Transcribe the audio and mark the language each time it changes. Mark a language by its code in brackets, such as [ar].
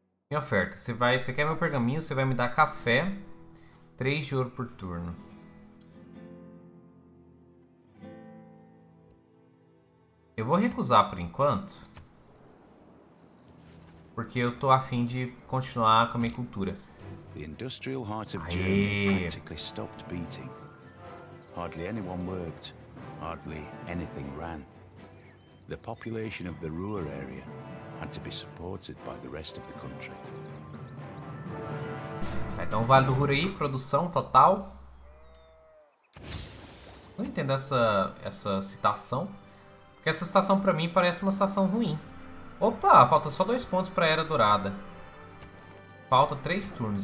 [pt] Minha oferta. Você quer meu pergaminho? Você vai me dar café. 3 de ouro por turno. Eu vou recusar por enquanto. Porque eu tô a fim de continuar com a minha cultura. [en] The industrial heart of Germany practically stopped beating. Hardly anyone worked, hardly anything ran. The population of the Ruhr area had to be supported by the rest of the country. [pt] Então, Vale do Ruhr aí, produção total. Não entendo essa citação. Porque essa citação para mim parece uma citação ruim. Opa, falta só 2 pontos para a Era Dourada. Falta 3 turnos.